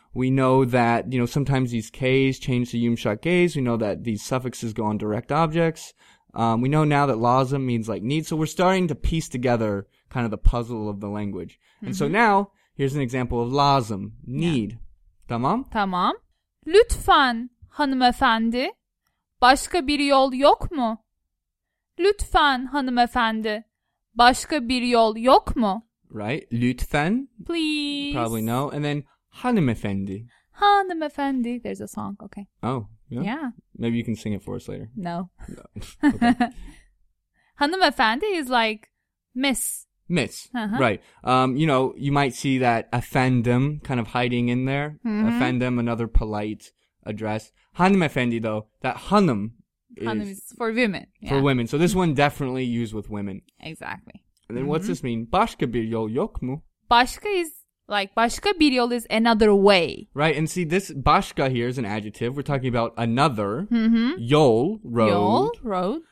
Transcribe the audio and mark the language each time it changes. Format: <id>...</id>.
<en>We know that, you know, sometimes these k's change to yumuşak k's. We know that these suffixes go on direct objects. We know now that lazım means like need. So we're starting to piece together kind of the puzzle of the language. Mm-hmm. And so now here's an example of lazım, need. Yeah. Tamam?</en> <tr>Tamam. Lütfen. Hanımefendi, başka bir yol yok mu? Lütfen hanımefendi, başka bir yol yok mu?</tr> <en>Right, lütfen. Please. Probably no. And then hanımefendi. Hanımefendi, there's a song, okay. Oh, yeah. Yeah. Maybe you can sing it for us later. No. Okay. Hanımefendi is like miss. Miss, right. You know, you might see that efendim kind of hiding in there. Mm-hmm. Efendim, another polite address. Hanımefendi, though, that hanım is for women. Yeah. For women. So this one definitely used with women. Exactly. And then what's this mean?</en> <tr>Başka bir yol yok mu?</tr> <en>Başka is like,</en> <tr>başka bir yol</tr> <en>is another way. Right. And see, this başka here is an adjective. We're talking about another.</en> <tr>Yol,</tr> <en>road. Yol, road.</en>